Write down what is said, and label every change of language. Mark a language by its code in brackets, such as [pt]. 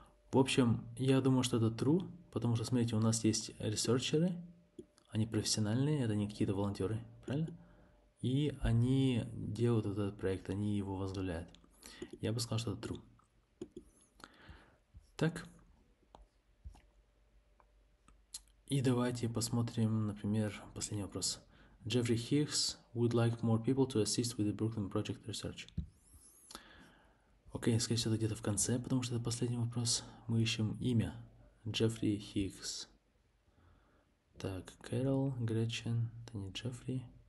[ru] В общем, я думаю, что это true, потому что, смотрите, у нас есть ресерчеры, они профессиональные, это не какие-то волонтеры, правильно? И они делают этот проект, они его возглавляют. Я бы сказал, что это true. Так. И давайте посмотрим, например, последний вопрос. [en] Джеффри Хиггс would like more people to assist with the Brooklyn Project research. [ru] Окей, скорее всего, это где-то в конце, потому что это последний вопрос. Мы ищем имя. Джеффри Хиггс. Так, Кэрол, Гречен, это не Джеффри.